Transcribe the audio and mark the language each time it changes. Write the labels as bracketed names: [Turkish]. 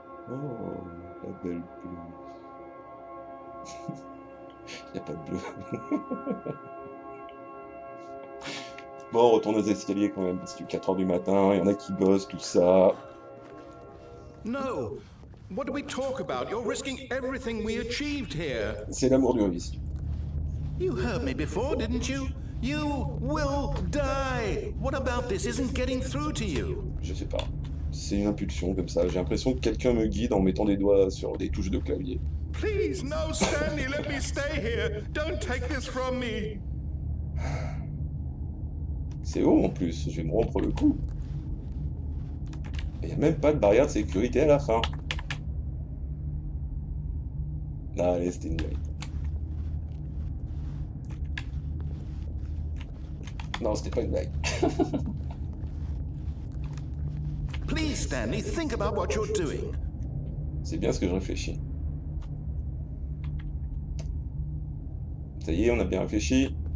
[French] Oh, la belle bleue. Il n'y a pas de bleu. Bon, on retourne aux escaliers quand même, parce que 4h du matin, il y en a qui bossent, tout ça. [English] No, what do we talk about? You're risking everything we achieved here. [French] C'est l'amour du risque. [English] You heard me before, didn't you? You will die. What about this isn't getting through to you? [French] Je sais pas. C'est une impulsion comme ça. J'ai l'impression que quelqu'un me guide en mettant des doigts sur des touches de clavier. [English] Please, no, Stanley, let me stay here. Don't take this from me. [French] C'est haut en plus, je vais me rompre le cou. Il n'y a même pas de barrière de sécurité à la fin. Ah, allez, c'était une blague. Non, c'était pas une blague. [English] Please, Stanley, think about what you're doing. [French] C'est bien ce que je réfléchis. Ça y est, on a bien réfléchi.